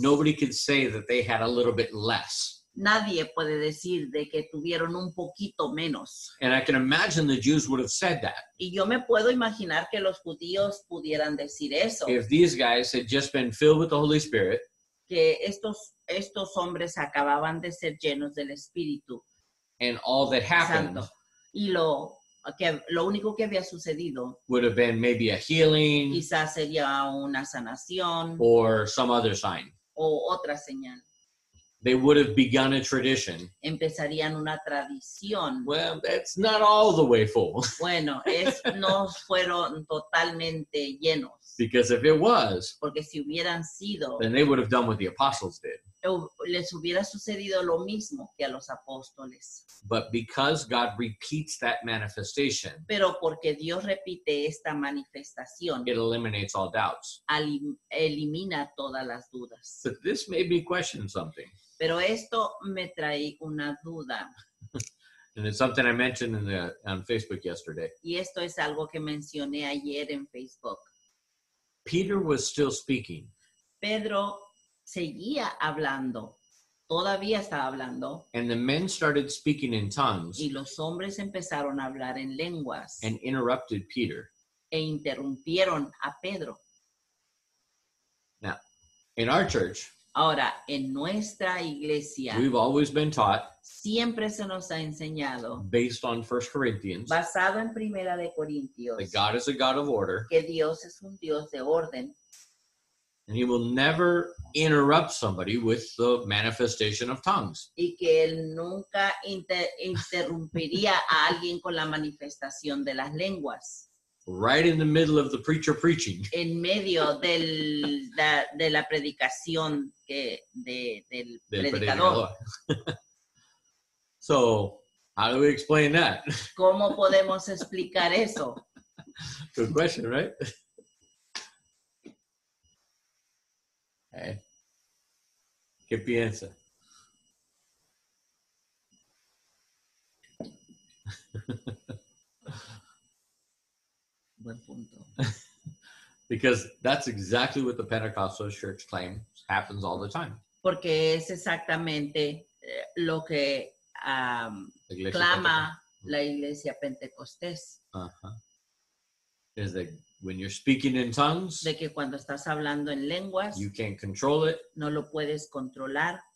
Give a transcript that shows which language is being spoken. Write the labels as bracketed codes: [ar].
[en] Nobody could say that they had a little bit less. [es] Nadie puede decir de que tuvieron un poquito menos. [en] And I can imagine the Jews would have said that. [es] Y yo me puedo imaginar que los judíos pudieran decir eso. [en] If these guys had just been filled with the Holy Spirit. [es] Que estos hombres acababan de ser llenos del Espíritu. [en] And all that happened. [es] Y lo que lo único que había sucedido [en] would have been maybe a healing, [es] quizás sería una sanación, [en] or some other sign, [es] o otra señal. [en] They would have begun a tradition. [es] Empezarían una tradición. [en] Well, that's not all the way full. [es] Bueno, es, no fueron totalmente llenos. [en] Because if it was, [es] porque si hubieran sido, [en] then they would have done what the apostles did. [es] Les hubiera sucedido lo mismo que a los apóstoles. [en] But because God repeats that manifestation, [es] pero porque Dios repite esta manifestación, [en] it eliminates all doubts. [es] Elimina todas las dudas. [en] But this made me question something. [es] Pero esto me trae una duda. [en] And it's something I mentioned in the, on Facebook yesterday. [es] Y esto es algo que mencioné ayer en Facebook. [en] Peter was still speaking. [es] Pedro seguía hablando. Todavía estaba hablando. [en] And the men started speaking in tongues. [es] Y los hombres empezaron a hablar en lenguas. [en] And interrupted Peter. [es] E interrumpieron a Pedro. [en] Now, in our church, [es] ahora, en nuestra iglesia, [en] we've always been taught, [es] siempre se nos ha enseñado, [en] based on 1 Corinthians, [es] basado en Primera de Corintios, [en] that God is a God of order, [es] que Dios es un Dios de orden, [en] and he will never interrupt somebody with the manifestation of tongues. [es] Y que él nunca interrumpiría a alguien con la manifestación de las lenguas. [en] Right in the middle of the preacher preaching. [es] En medio del de la predicación que del predicador. [en] So, how do we explain that? [es] ¿Cómo podemos explicar eso? [en] Good question, right? [es] ¿Qué piensa? Buen punto. [en] Because that's exactly what the Pentecostal church claims happens all the time. [es] Porque es exactamente lo que clama la iglesia pentecostés. [en] Uh-huh. Is that when you're speaking in tongues, [es] de que cuando estás hablando en lenguas, [en] you can't control it, [es] no lo puedes controlar,